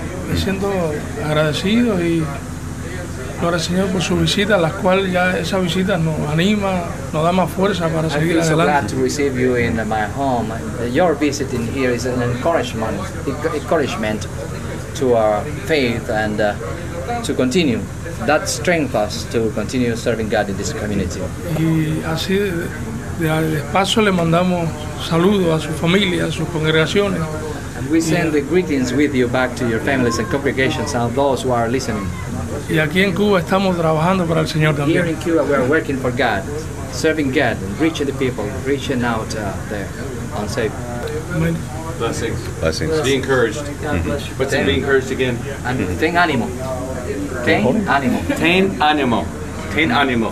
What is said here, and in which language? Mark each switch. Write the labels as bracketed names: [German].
[Spanish] Me siento agradecido y gloria al Señor por su visita, las cuales ya esa visita nos anima, nos da más fuerza para [English] I [Spanish] seguir adelante. [English] I'm so glad to receive you in my home. Your visit in here is an encouragement to our faith and to continue. That strengthens us to continue serving God in this community. [Spanish] Y así de paso le mandamos saludos a su familia, a sus congregaciones. [English] And we send the greetings with you back to your families and congregations and those who are listening. [Spanish] Y aquí en Cuba estamos trabajando para el Señor también. [English] Here in Cuba we are working for God, serving God, and reaching the people, reaching out there, unsaved. Blessings. Blessings. Be encouraged. Mm-hmm. But be encouraged again. [Spanish] And ten ánimo. Ten ánimo. Ten ánimo.